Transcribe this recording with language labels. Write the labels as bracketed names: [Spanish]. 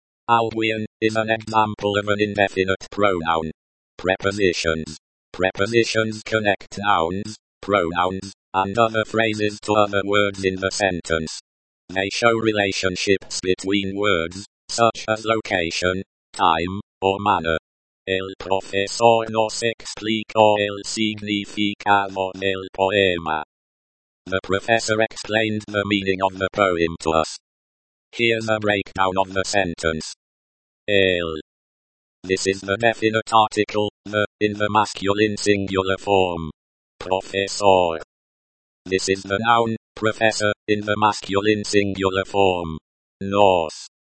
[English] Alguien is an example of an indefinite pronoun. Prepositions. Prepositions connect nouns, pronouns, and other phrases to other words in the sentence. They show relationships between words, such as location, time, or manner. [Spanish] El profesor nos explicó el significado del poema. [English] The professor explained the meaning of the poem to us. Here's a breakdown of the sentence. El. This is the definite article, the, in the masculine singular form. Profesor. This is the noun, professor, in the masculine singular form. Nos.